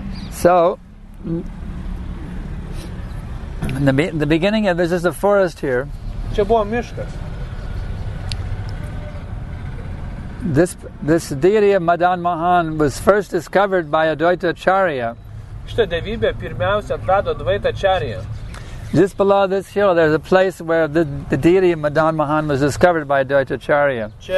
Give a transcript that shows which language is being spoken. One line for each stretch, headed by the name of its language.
English: So, in the beginning of this is a forest here.
Lithuanian: Čia buvo miškas.
English: This deity of Madan Mohan was first discovered by Advaita Acharya.
Lithuanian: Šita devybė pirmiausia atrado Advaita Acharya.
English: Just below this hill, there's a place where the deity of Madan Mohan was discovered by Advaita Acharya.